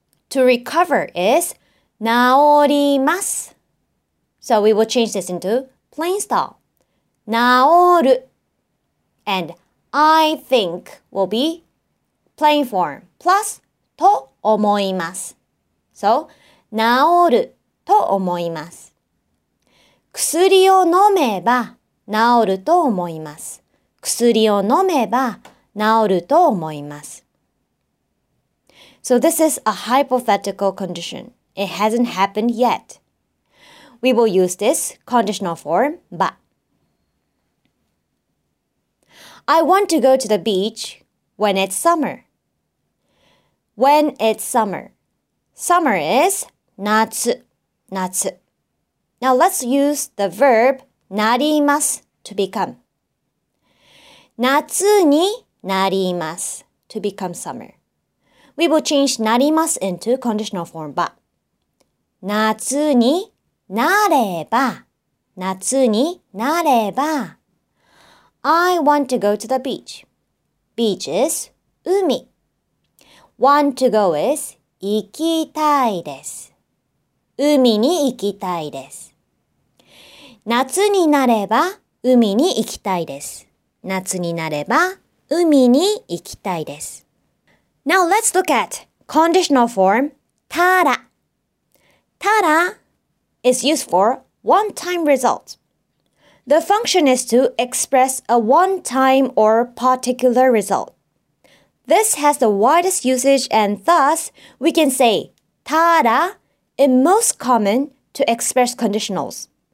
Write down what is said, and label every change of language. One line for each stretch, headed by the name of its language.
English: To recover is 治ります. So we will change this into plain style.
Japanese: 治る.
English: And I think will be plain form plus
Japanese: と思います. So 治ると思います. 薬を飲めば治ると思います. 薬を飲めば治ると思います.
English: So this is a hypothetical condition. It hasn't happened yet. We will use this conditional form, ba. I want to go to the beach when it's summer. When it's summer. Summer is 夏。夏。 Now let's use the verb なります to become.
Japanese: 夏になります
English: to become summer. We will change なります into conditional form, but
Japanese: 夏になれば夏になれば
English: I want to go to the beach. Beach is 海.Want to go is
Japanese: 行きたいです。海に行きたいです。夏になれば海に行きたいです。夏になれば海に行きたいです。
English: Now let's look at conditional form たら。たら is used for one-time result. The function is to express a one-time or particular result. This has the widest usage and thus we can say たら in most common to express conditionals.